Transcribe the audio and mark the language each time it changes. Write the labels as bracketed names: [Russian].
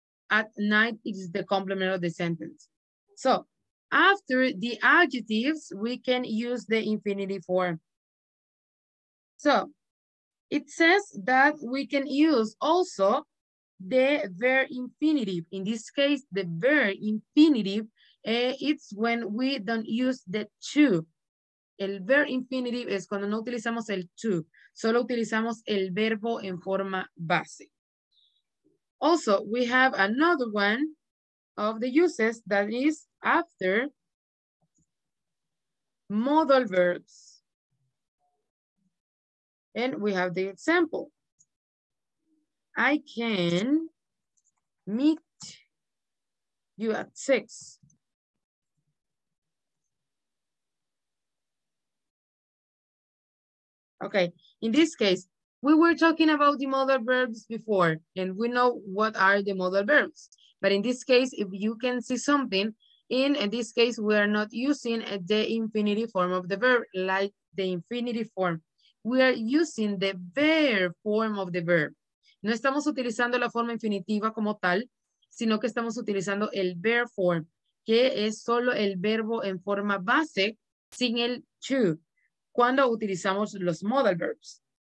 [English] At night, it is the complement of the sentence. So after the adjectives, we can use the infinitive form. So it says that we can use also the verb infinitive. In this case, the verb infinitive, it's when we don't use the to. [Spanish] El verb infinitive es cuando no utilizamos el to. Solo utilizamos el verbo en forma base. [English] Also, we have another one of the uses that is after modal verbs. And we have the example. I can meet you at 6. Okay, in this case, we were talking about the modal verbs before, and we know what are the modal verbs. But in this case, if you can see something, in this case, we are not using the infinitive form of the verb, like the infinitive form. We are using the verb form of the verb. [Spanish] No estamos utilizando la forma infinitiva como tal, sino que estamos utilizando el verb form, que es solo el verbo en forma base, sin el to, cuando utilizamos los modal verbs.